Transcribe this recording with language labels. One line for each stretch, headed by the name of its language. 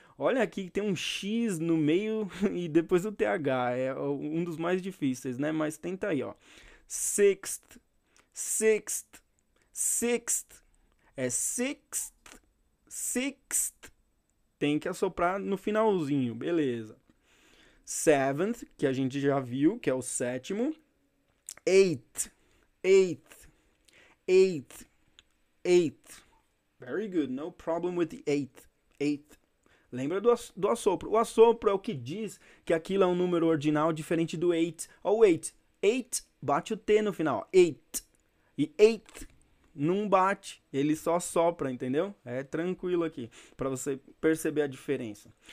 Portuguese: Olha aqui que tem um X no meio e depois o TH. É um dos mais difíceis, né? Mas tenta aí, ó.
English: Sixth, sixth, sixth.
Portuguese: É sixth, sixth. Tem que assoprar no finalzinho, beleza. Seventh, que a gente já viu, que é o sétimo.
English: Eighth, eighth, eighth, eighth. Very good. No problem with the eighth, eighth.
Portuguese: Lembra do assopro. O assopro é o que diz que aquilo é um número ordinal diferente do eight. Ó, o eight. Eight, bate o T no final. Ó. Eight. E eight, Não bate, ele só sopra, entendeu? É tranquilo aqui, para você perceber a diferença.